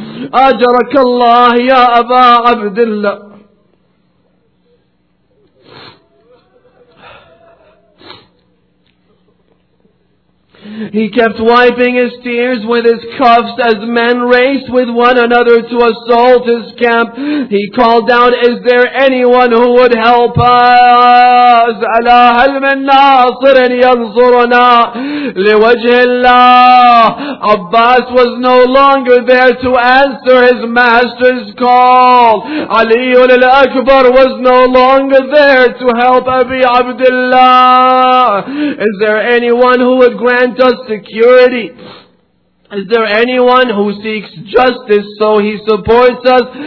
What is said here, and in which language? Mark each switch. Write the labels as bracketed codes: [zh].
[ar] أجرك الله يا أبا عبد الله [en] He kept wiping his tears with his cuffs as men raced with one another to assault his camp. He called out, Is there anyone who would help us? [ar] ألا هل من ناصر ينصرنا لوجه الله? [en] Abbas was no longer there to answer his master's call. علي الأكبر was no longer there to help أبي عبد الله. Is there anyone who would grant us security? Is there anyone who seeks justice so he supports us?